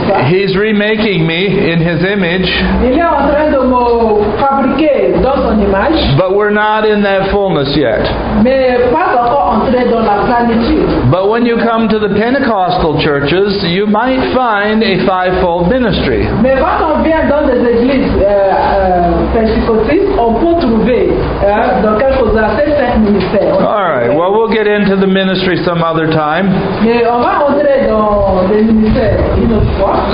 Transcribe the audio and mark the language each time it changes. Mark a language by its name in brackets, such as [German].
[English] He's remaking me in his image. [French] Il est en train de me fabriquer dans son image. [English] But we're not in that fullness yet. [French] Mais pas encore entré dans la plénitude. [English] But when you come to the Pentecostal churches, you might find a fivefold ministry. [French] Mais quand on vient dans des églises pentecôtistes, on peut trouver dans quelque chose à ces cinq ministères. [English] All right. Well, we'll get into the ministry some other time. [French] Mais on va entrer dans les ministères une autre fois.